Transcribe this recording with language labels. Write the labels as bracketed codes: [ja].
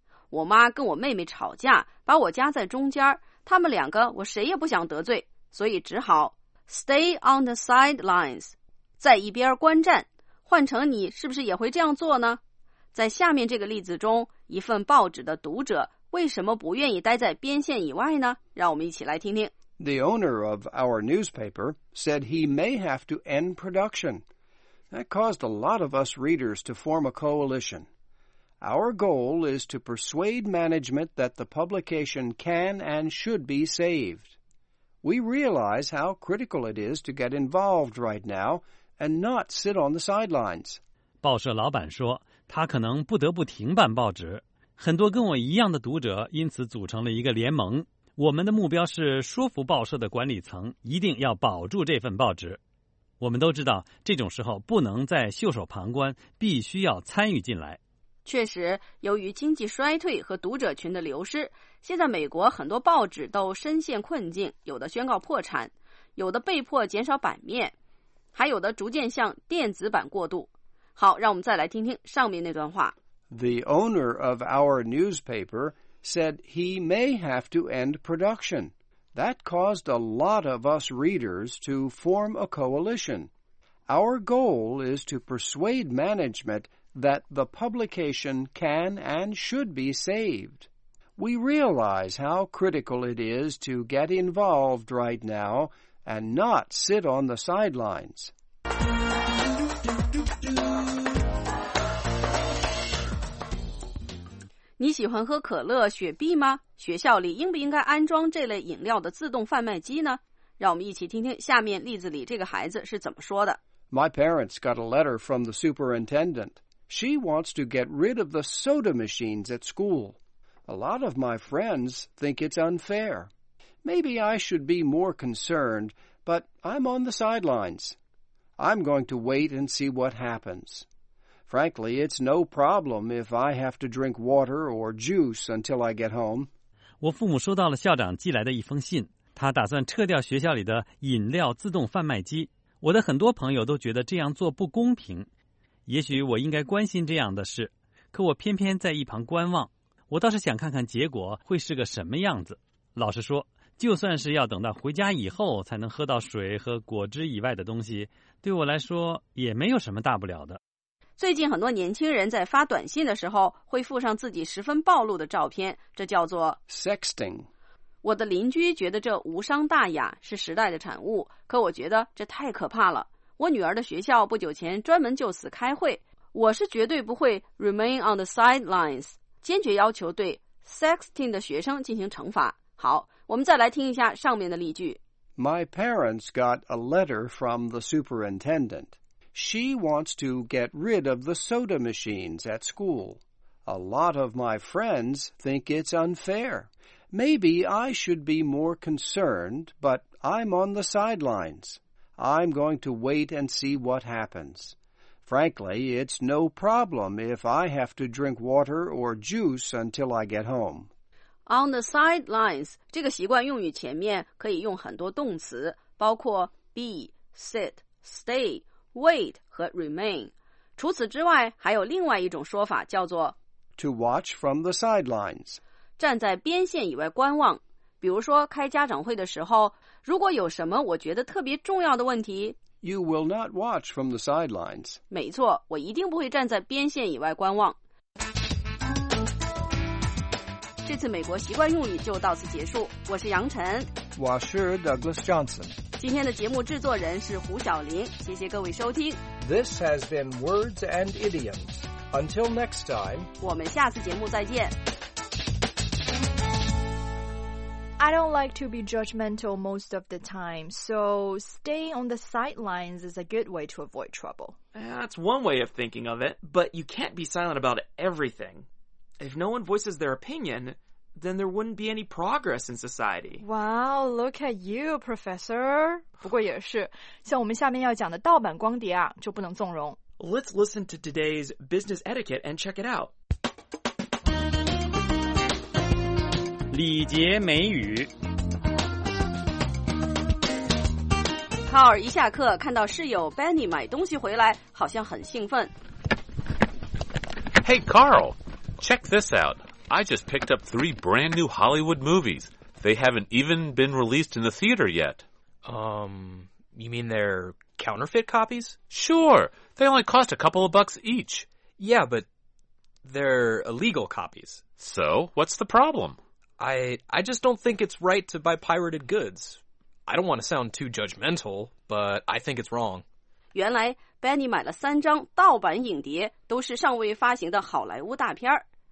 [zh] 我妈跟我妹妹吵架，把我夹在中间，他们两个我谁也不想得罪，所以只好 [en] stay on the sidelines, [zh] 在一边观战。换成你是不是也会这样做呢？在下面这个例子中，一份报纸的读者为什么不愿意待在边线以外呢？让我们一起来听听。 [en] The owner of our newspaper said he may have to end production. That caused a lot of us readers to form a coalition. Our goal is to persuade management that the publication can and should be saved. We realize how critical it is to get involved right now and not sit on the sidelines. [zh] 报社老板说，他可能不得不停办报纸。很多跟我一样的读者因此组成了一个联盟。我们的目标是说服报社的管理层一定要保住这份报纸。我们都知道，这种时候不能再袖手旁观，必须要参与进来。确实，由于经济衰退和读者群的流失，现在美国很多报纸都深陷困境，有的宣告破产，有的被迫减少版面，还有的逐渐向电子版过渡。好，让我们再来听听上面那段话。 [en] The owner of our newspaper said he may have to end production. That caused a lot of us readers to form a coalition. Our goal is to persuade management that the publication can and should be saved. We realize how critical it is to get involved right now and not sit on the sidelines. [zh] 你喜欢喝可乐、雪碧吗？学校里应不应该安装这类饮料的自动贩卖机呢？让我们一起听听下面例子里这个孩子是怎么说的。 [en] My parents got a letter from the superintendent. She wants to get rid of the soda machines at school. A lot of my friends think it's unfair. Maybe I should be more concerned, but I'm on the sidelines. I'm going to wait and see what happens. Frankly, it's no problem if I have to drink water or juice until I get home. [zh] 我父母收到了校长寄来的一封信，他打算撤掉学校里的饮料自动贩卖机。我的很多朋友都觉得这样做不公平，也许我应该关心这样的事，可我偏偏在一旁观望。我倒是想看看结果会是个什么样子。老实说，就算是要等到回家以后才能喝到水和果汁以外的东西，对我来说也没有什么大不了的。最近很多年轻人在发短信的时候会附上自己十分暴露的照片，这叫做 [en] sexting。 [zh] 我的邻居觉得这无伤大雅，是时代的产物，可我觉得这太可怕了。我女儿的学校不久前专门就此开会，我是绝对不会 [en] remain on the sidelines， [zh] 坚决要求对 sexting 的学生进行惩罚。好，我们再来听一下上面的例句。 [en] My parents got a letter from the superintendent. She wants to get rid of the soda machines at school. A lot of my friends think it's unfair. Maybe I should be more concerned, but I'm on the sidelines. I'm going to wait and see what happens. Frankly, it's no problem if I have to drink water or juice until I get home. On the sidelines, [zh] 这个习惯用语前面可以用很多动词，包括 be, sit, stay, wait 和 remain. 除此之外，还有另外一种说法叫做 [en] to watch from the sidelines. [zh] 站在边线以外观望，比如说开家长会的时候，如果有什么我觉得特别重要的问题 [en] ，You will not watch from the sidelines。 [zh] 没错，我一定不会站在边线以外观望。这次美国习惯用语就到此结束，我是杨晨，我是 Douglas Johnson。今天的节目制作人是胡晓玲，谢谢各位收听。 [en] This has been Words and Idioms. Until next time， [zh] 我们下次节目再见。 [en] I don't like to be judgmental most of the time, so staying on the sidelines is a good way to avoid trouble. That's one way of thinking of it, but you can't be silent about everything. If no one voices their opinion, then there wouldn't be any progress in society. Wow, look at you, Professor. [zh] 不过也是，像我们下面要讲的盗版光碟啊，就不能纵容。 [en] Let's listen to today's business etiquette and check it out. [zh] 礼节美语。卡尔一下课看到室友 Benny 买东西回来，好像很兴奋。 [en] Hey Carl, check this out. I just picked up 3 brand new Hollywood movies. They haven't even been released in the theater yet. You mean they're counterfeit copies? Sure, they only cost a couple of bucks each. Yeah, but they're illegal copies. So, what's the problem? I just don't think it's right to buy pirated goods. I don't want to sound too judgmental, but I think it's wrong. [zh] 原来 Benny 买了三张盗版影碟，都是尚未发行的好莱坞大片儿。